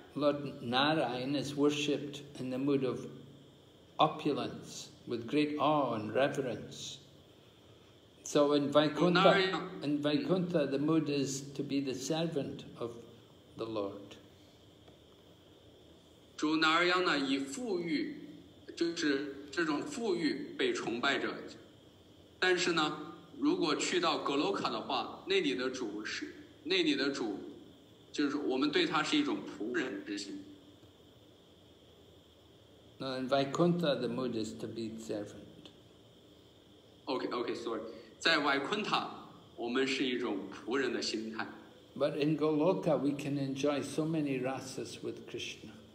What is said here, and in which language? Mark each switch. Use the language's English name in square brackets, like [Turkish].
[English] Lord Narayan is worshipped in the mood of. Opulence with great awe and reverence. So in Vaikuntha, the mood is to be the servant of the Lord. [Chinese] 主拿尔央呢，以富裕，就是这种富裕被崇拜者。但是呢，如果去到格罗卡的话，那里的主是那里的主，就是我们对他是一种仆人之心。 [English] Now in Vaikuntha, the mood is to be servant. Okay, sorry. [Chinese] 在 Vaikuntha, 我们是一种仆人的心态。 [English] But in Goloka, we can enjoy so many rasas with Krishna.